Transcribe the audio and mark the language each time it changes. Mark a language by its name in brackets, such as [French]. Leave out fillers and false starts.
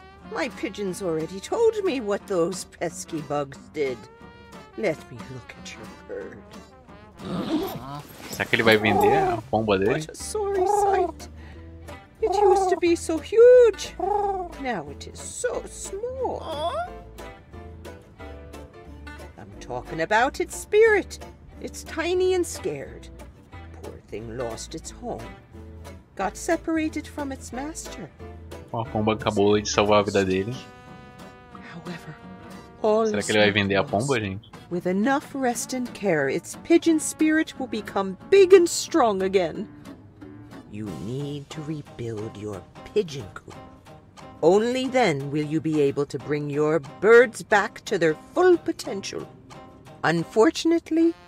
[English] My pigeons already told me what those pesky bugs did. Let me look at your bird. [Portuguese] Será que ele vai vender a pomba dele? [English] What a sorry sight. It used to be so huge. Now it is so small. I'm talking about its spirit. It's tiny and scared. Poor thing lost its home. Got separated from its master. [Portuguese] A pomba acabou de salvar a vida dele. [English] However, [Portuguese] será que ele vai vender a pomba, gente? [English] With enough rest and care, its pigeon spirit will become big and strong again. You need to rebuild your pigeon coop. Only then will you be able to bring your birds back to their full potential. Unfortunately,